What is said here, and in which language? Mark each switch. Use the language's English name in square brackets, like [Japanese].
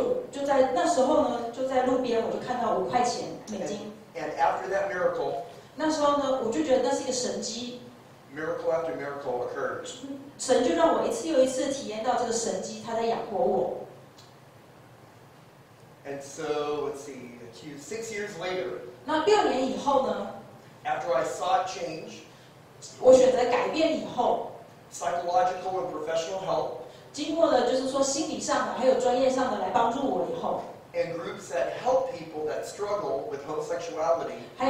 [Chinese] 就在那时候呢，就在路边，我就看到$5美金。 [English] And after that miracle, [Chinese] 那时候呢，我就觉得那是一个神迹。 [English] Miracle after miracle occurred. [Chinese] 神就让我一次又一次体验到这个神迹，他在养活我。 [English] And so, let's see, 6 years later, [Chinese] 那6年以后呢？ [English] After I saw change, [Chinese] 我选择改变以后， [English] psychological and professional help, [Chinese] 经过了就是说心理上的还有专业上的来帮助我以后， [English] and groups that help people that struggle with homosexuality,